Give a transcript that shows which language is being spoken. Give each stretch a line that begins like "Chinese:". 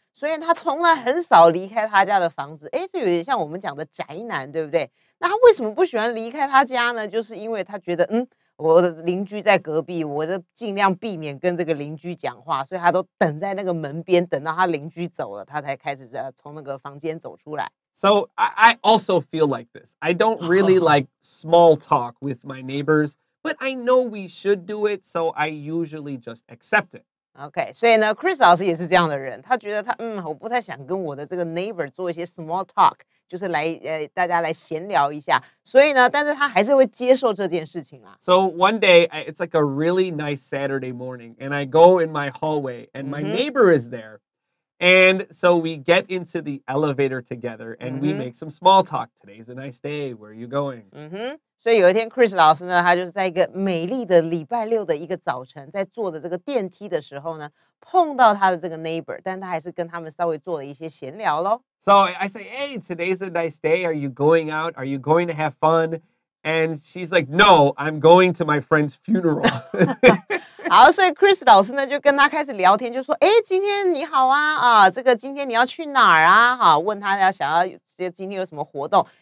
Chinese: 所以他从来很少离开他家的房子诶这有点像我们讲的宅男对不对那他为什么不喜欢离开他家呢就是因为他觉得嗯我的邻居在隔壁我就尽量避免跟这个邻居讲话所以他都等在那个门边等到他邻居走了他才开始从那个房间走出来。
English: So I also feel like this. I don't really like small talk with my neighbors, but I know we should do it, so I usually just accept it.
Chinese: OK, 所以呢 Chris 老师也是这样的人他觉得他嗯我不太想跟我的这个 neighbor 做一些 small talk, 就是来、大家来闲聊一下所以呢但是他还是会接受这件事情啊。
English: So one day, it's like a really nice Saturday morning, and I go in my hallway, and my neighbor is there, and so we get into the elevator together, and we make some small talk. Today's a nice day, where are you going? 嗯哼
Chinese: 所以有一天 Chris 老师呢他就是在一个美丽的礼拜六的一个早晨在坐着这个电梯的时候呢碰到他的这个 neighbor, 但他还是跟他们稍微做了一些闲聊咯。
English: So I say, hey, today's a nice day, are you going out? Are you going to have fun? And she's like, no, I'm going to my friend's funeral.
Chinese: 好所以 Chris 老师呢就跟他开始聊天就说诶今天你好啊啊这个今天你要去哪儿啊好问他要想要今天有什么活动。